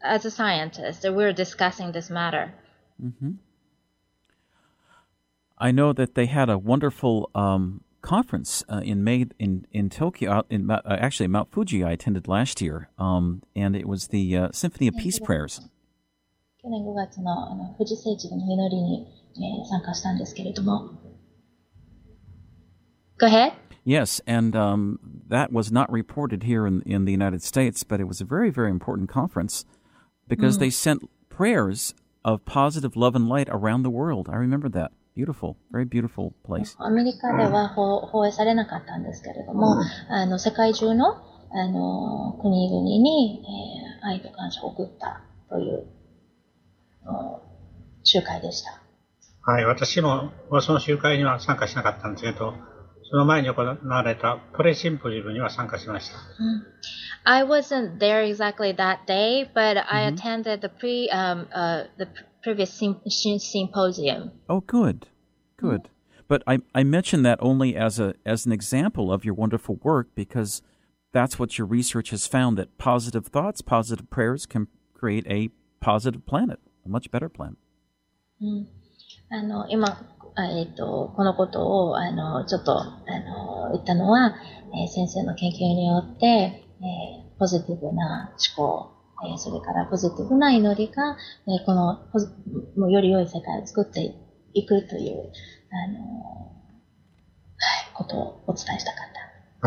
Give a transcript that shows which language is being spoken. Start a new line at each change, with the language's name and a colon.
English: As a scientist, we're discussing this matter. Mm-hmm. I know that they had a wonderful conference in May in Tokyo. Actually, Mount Fuji. I attended last year, and it was the Symphony of Peace Prayers.
Japanese: 去年5月の、富士聖地の祈りに、参加したんですけれども。
English: Go ahead. Yes, and that was not reported here in the United States, but it was a very, very important conference because they sent prayers of positive love and light around the world. I remember that. Beautiful, very beautiful place.
Japanese: アメリカでは放映されなかったんですけれども、世界中の、国々に、愛と感謝を送ったという集会でした。はい、私もその集会には参加しなかったんですけど、その前に行われたプレシンポジブには参加しました。
English: I wasn't there exactly that day, but I attended the previous symposium. Oh, good, good. But I mentioned that only as an example of your wonderful work, because that's what your research has found, that positive thoughts, positive prayers can create a positive planet. Much better plan.
Japanese: 今、このことをちょっと言ったのは、先生の研究によって、ポジティブな思考、それからポジティブな祈りが、このもうより良い世界を作っていくという、はい、ことをお伝えしたかった。